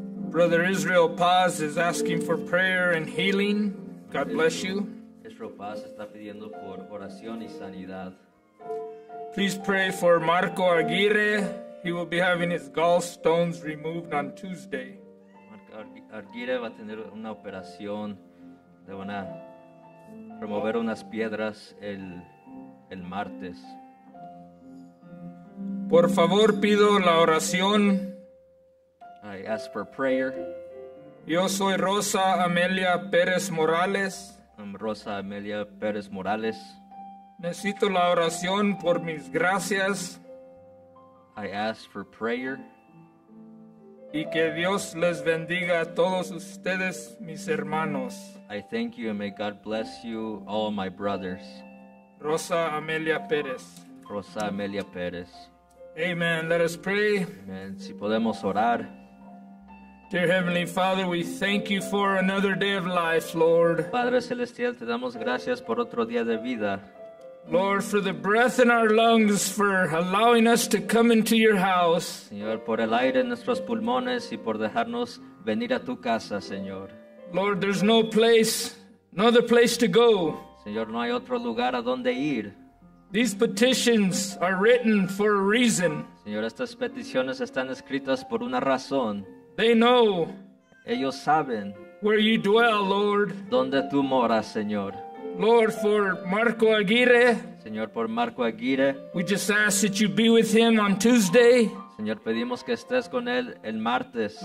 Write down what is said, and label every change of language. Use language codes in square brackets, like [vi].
[en] Brother Israel Paz is asking for prayer and healing. God bless you. [es] Israel Paz está pidiendo por oración y sanidad. [en] Please pray for Marco Aguirre. He will be having his gallstones removed on Tuesday. [es] Marco Aguirre va a tener una operación. Le van a remover unas piedras el martes. Por favor, pido la oración. [en] I ask for prayer. [es] Yo soy Rosa Amelia Pérez Morales. [en] I'm Rosa Amelia Pérez Morales. [es] Necesito la oración por mis gracias. [en] I ask for prayer. [es] Y que Dios les bendiga a todos ustedes, mis hermanos. [en] I thank you and may God bless you, all my brothers. [es] Rosa Amelia Pérez. Rosa Amelia Pérez. [en] Amen. Let us pray. [es] Amen. Si podemos orar. [en] Dear Heavenly Father, we thank you for another day of life, Lord. [es] Padre Celestial, te damos gracias por otro día de vida. [en] Lord, for the breath in our lungs, for allowing us to come into your house. [es] Señor, por el aire en nuestros pulmones y por dejarnos venir a tu casa, Señor. [en] Lord, there's no place, no other place to go. [es] Señor, no hay otro lugar a donde ir. [en] These petitions are written for a reason. [es] Señor, estas peticiones están escritas por una razón. [en] They know. [es] Ellos saben. [en] Where you dwell, Lord. [es] Donde tú moras, Señor. [en] Lord, for Marco Aguirre. [es] Señor, por Marco Aguirre. [en] We just ask that you be with him on Tuesday. [es] Señor, pedimos que estés con él el martes.